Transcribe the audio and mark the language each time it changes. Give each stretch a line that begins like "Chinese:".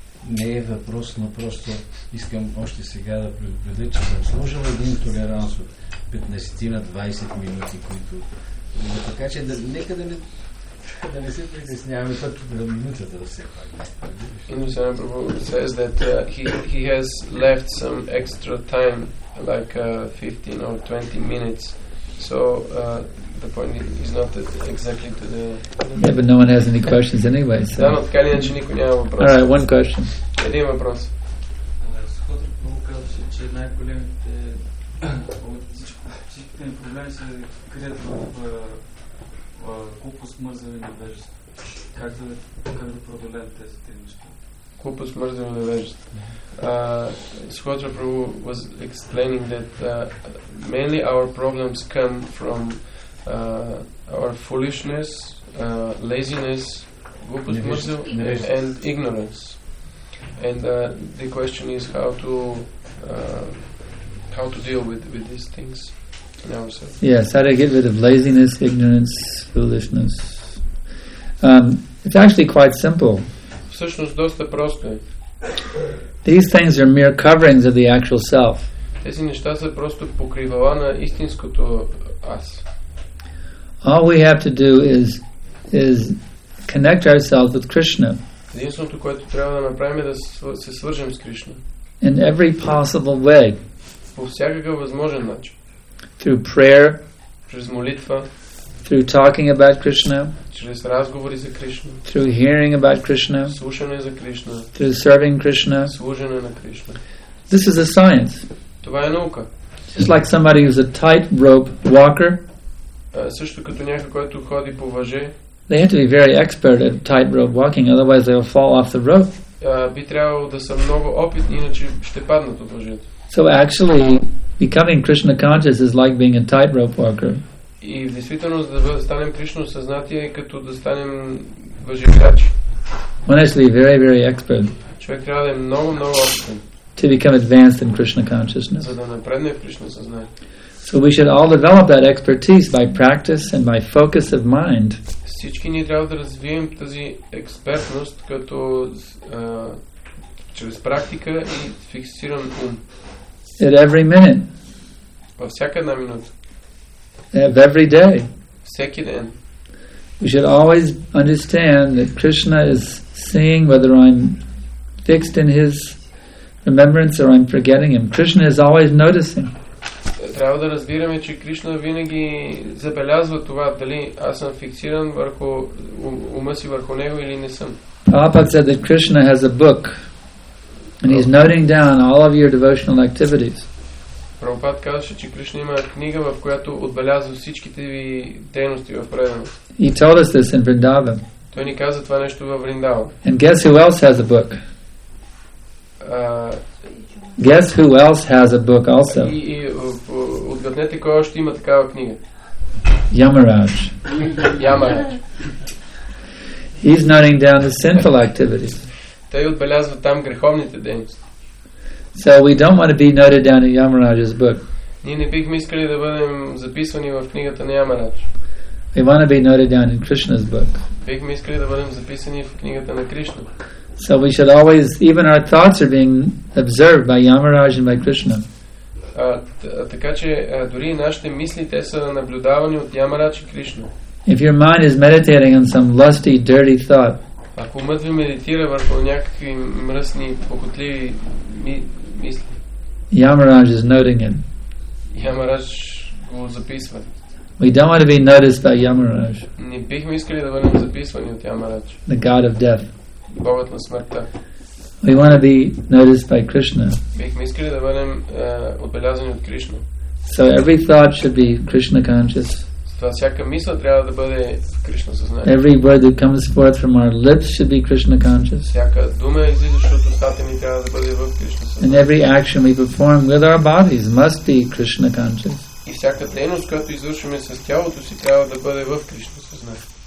Bulgarian: Не е въпрос, но просто искам още сега да предупредя, че съм сложил един толеранс от 15-20 минути, които... Така че нека да не се притесняваме път на минутата да се пак.
English: Инусен Прабху says that he has left some extra time, like 15 or 20 minutes. So the point is not that exactly to the... Yeah, but no one has any questions anyway, so...
Bulgarian: Да, но така ли начин никой няма въпрос.
English: All right, one question.
Bulgarian: Един въпрос. Сходът много казваше, че най-големите всичките проблеми се крият в глупост, мързане и невежество. Как да продолеем тези три неща? Глупост, мързане и невежество.
English: Swatra Prabhu was explaining that mainly our problems come from our foolishness, laziness, and ignorance. And the question is how to deal with these things in ourselves. Yes, how to get rid of laziness, ignorance, foolishness. It's actually quite simple.
Bulgarian: Всъщност доста просто е.
English: These things are mere coverings of the actual self.
Bulgarian: Тези неща са просто покривала на истинското аз.
English: All we have to do is connect ourselves with Krishna.
Bulgarian: Единственото, което трябва да направим е да се свържем с Кришна.
English: In every possible way.
Bulgarian: По всякакъв възможен начин.
English: Through prayer.
Bulgarian: Чрез молитва.
English: Through talking about Krishna,
Bulgarian: чрез разговори за Кришна,
English: through hearing about Krishna,
Bulgarian: слушане за Кришна,
English: through serving Krishna,
Bulgarian: служене на Кришна.
English: This is a science.
Bulgarian: Това е наука.
English: Just like somebody who's a tightrope walker,
Bulgarian: също като някой, който ходи по въже,
English: They have to be very expert at tightrope walking, otherwise they will fall off the rope.
Bulgarian: Би трябвало да са много опитни, иначе ще паднат от лъжето.
English: So actually, becoming Krishna conscious is like being a tightrope walker.
Bulgarian: И в действителност да станем Кришна осъзнати е като да станем въжекач.
English: Honestly, very, very expert.
Bulgarian: Човек трябва да е много, много опитен.
English: To become advanced in Krishna consciousness.
Bulgarian: За да напредне в Кришна съзнание.
English: So we should all develop that expertise by practice and by focus of mind.
Bulgarian: Всички ние трябва да развием тази експертност като чрез практика и фиксиран ум.
English: At every minute.
Bulgarian: Във всяка една минута.
English: Of every day.
Bulgarian: Всеки ден.
English: We should always understand that Krishna is seeing whether I'm fixed in his remembrance or I'm forgetting him. Krishna is always noticing.
Bulgarian: Трябва да разбираме, че Кришна винаги забелязва това, дали аз съм фиксиран върху ума си върху него или не съм.
English: Prabhupada said that Krishna has a book and he's noting down all of your devotional activities.
Bulgarian: Prabhupada казваше, че Кришна има книга, в която отбелязва всичките ви дейности в преданост.
English: He told us this in Vrindavan.
Bulgarian: Той ни каза това нещо във Вриндаван.
English: And guess who else has a book? Guess who else has a book also?
Bulgarian: Отгаднете кой още има такава книга.
English: Yamaraj. Yamaraj. He's noting down the sinful activities.
Bulgarian: Той отбелязва там греховните дейности.
English: So we don't want to be noted down in Yamaraj's book.
Bulgarian: Ние не бихме искали да бъдем записвани в книгата на Yamaraj.
English: We want to be noted down in Krishna's book.
Bulgarian: Бихме искали да бъдем записани в книгата на Кришна.
English: So we should always, even our thoughts are being observed by Yamaraj and by Krishna.
Bulgarian: Така че дори и нашите мисли те са наблюдавани от Ямарадж и Кришна.
English: If your mind is meditating on some lusty, dirty thought.
Bulgarian: Ако умът ви медитира върху някакви мръсни, похотливи мисли.
English: Yamaraj is noting it.
Bulgarian: Yamaraj го записва.
English: We don't want to be noticed by Yamaraj.
Bulgarian: Не бихме искали да бъдем записвани от Ямарадж.
English: The god of death.
Bulgarian: Богът на смъртта.
English: We want to be noticed by Krishna.
Bulgarian: Бихме искали да бъдем отбелязани от Кришна.
English: So every thought should be Krishna conscious.
Bulgarian: Това всяка мисъл трябва да бъде Кришна съзнание.
English: Every word that comes forth from our lips should be Krishna conscious.
Bulgarian: Всяка дума, излизаща от устата ми, трябва да бъде в Кришна съзнание.
English: And every action we perform with our bodies must be Krishna conscious.
Bulgarian: И всяка дейност, която извършваме с тялото си, трябва да бъде в Кришна съзнание.